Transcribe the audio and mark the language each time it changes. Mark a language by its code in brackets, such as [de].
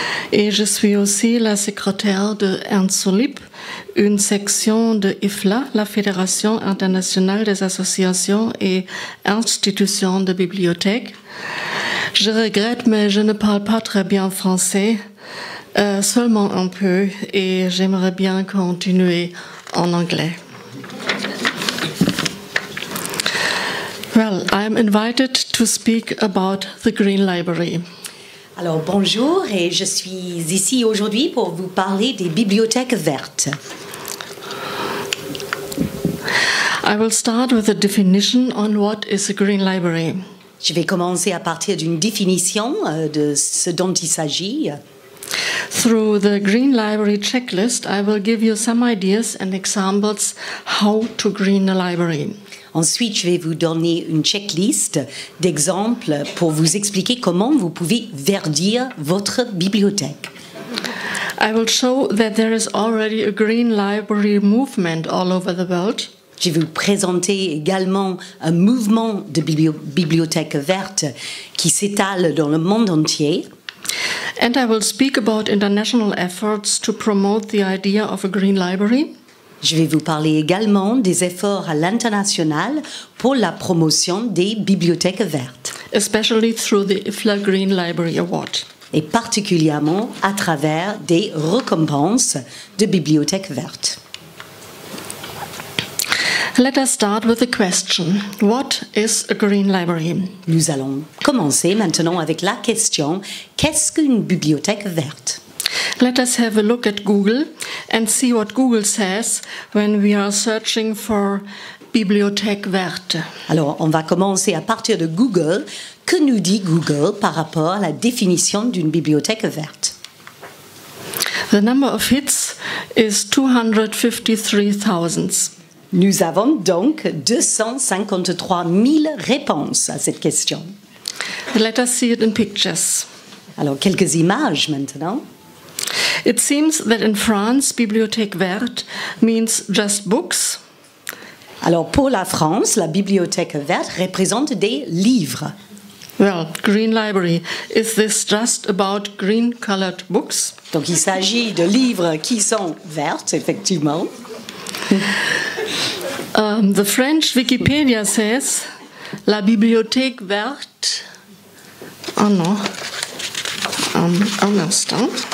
[fr] Et je suis aussi la secrétaire de ENSULIB, une section de IFLA, la Fédération internationale des associations et institutions de bibliothèque. Je regrette, mais je ne parle pas très bien français, seulement un peu, et j'aimerais bien continuer en anglais. [en] Well, I'm invited to speak about the Green Library. [fr] Alors bonjour et je suis ici aujourd'hui pour vous parler des bibliothèques vertes. [en] I will start with a definition on what is a green library. [fr] Je vais commencer à partir d'une définition de ce dont il s'agit. [en] Through the Green Library checklist, I will give you some ideas and examples how to green a library. [fr] Ensuite, je vais vous donner une checklist d'exemples pour vous expliquer comment vous pouvez verdir votre bibliothèque. [en] I will show that there is already a green library movement all over the world. [fr] Je vais vous présenter également un mouvement de bibliothèque verte qui s'étale dans le monde entier. [en] And I will speak about international efforts to promote the idea of a green library. [fr] Je vais vous parler également des efforts à l'international pour la promotion des bibliothèques vertes. [en] Especially through the IFLA Green Library Award. [fr] Et particulièrement à travers des récompenses de bibliothèques vertes. [en] Let us start with the question, what is a green library? [fr] Nous allons commencer maintenant avec la question, qu'est-ce qu'une bibliothèque verte? [en] Let us have a look at Google and see what Google says when we are searching for bibliothèque verte. [fr] Alors, on va commencer à partir de Google. Que nous dit Google par rapport à la définition d'une bibliothèque verte? [en] The number of hits is 253,000. [fr] Nous avons donc 253 000 réponses à cette question. [en] Let us see it in pictures. [fr] Alors, quelques images maintenant. [en] It seems that in France, bibliothèque verte means just books. [fr] Alors, pour la France, la bibliothèque verte représente des livres. [en] Well, green library, is this just about green colored books? [fr] Donc, il s'agit de livres qui sont vertes, effectivement. [en] The French Wikipedia says [fr] la bibliothèque verte. Oh non. Un instant.